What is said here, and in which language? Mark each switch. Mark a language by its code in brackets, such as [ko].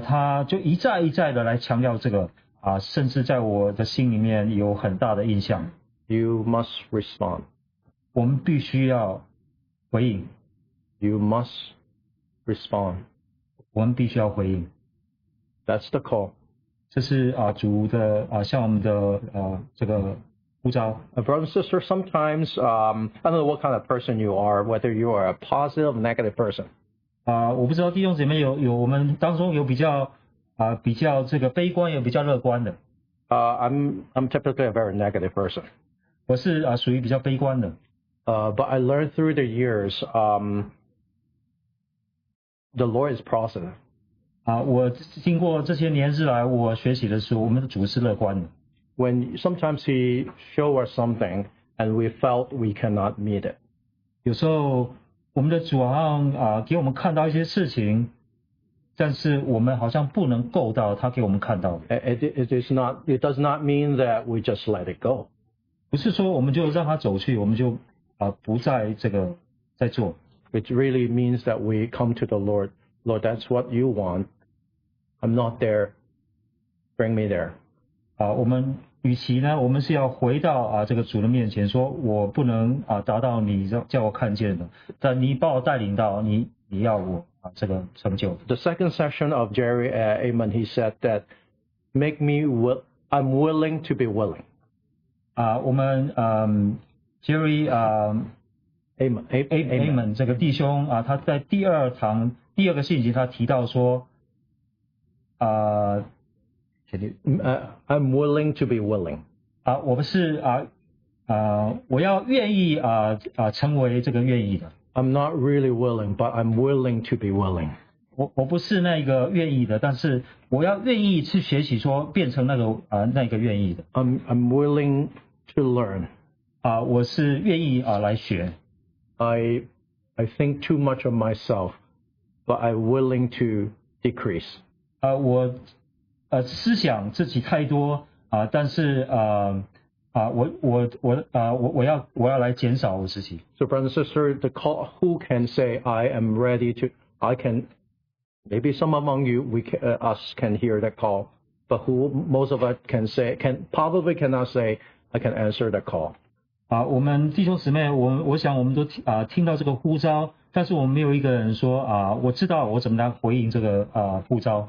[zh] 他就一再一再的来强调这个甚至在我的心里面有很大的印象。 [en] You must respond. [zh] 我们必须要回应。 [en] You must respond. [zh] 我们必须要回应。 [en] That's the call. [zh] 这是主的向我们的这个呼召。 [en] Brother and sister, sometimes, I don't know what kind of person you are, whether you are a positive or negative person. [zh] 我不知道弟兄姐妹有我们当中有比较比较这个悲观也比较乐观的。 [en] I'm typically a very negative person. [zh] 我是属于比较悲观的。 [en] But I learned through the years, the Lord is positive. [zh] 我经过这些年之来，我学习的时候，我们的主是乐观的。 [en] When sometimes He show us something and we felt we cannot meet it. [zh] 有时候我们的主好像给我们看到一些事情。但是我们好像不能够到他给我们看到的。 [en] It does not mean that we just let it go. [zh] 不是说我们就让他走去，我们就不再这个再做。 [en] It really means that we come to the Lord. Lord, that's what you want. I'm not there. Bring me there. [zh] 我们与其呢，我们是要回到这个主的面前，说我不能达到你叫我看见的，但你把我带领到你要我。这个成就。 [en] The second session of Jerry Amon, he said that I'm willing to be willing. [zh] 我们Jerry Amon 这个弟兄他在第二堂第二个信息他提到说 [en] I'm willing to be willing. [zh] 我不是我要愿意成为这个愿意的。 [en] I'm not really willing, but I'm willing to be willing. [zh] 我不是那个愿意的，但是我要愿意去学习，说变成那个那个愿意的。 [en] I'm willing to learn. [zh] 我是愿意来学。 [en] I think too much of myself, but I'm willing to decrease. [zh] 我思想自己太多但是我要来减少我自己。 [en] So brother and sister, the call, who can say I am ready to, I can, maybe some among you, us can hear that call, but who most of us can say, can probably cannot say, I can answer that call. [zh] 我们弟兄姊妹，我想我们都听到这个呼召，但是我们没有一个人说我知道我怎么来回应这个呼召。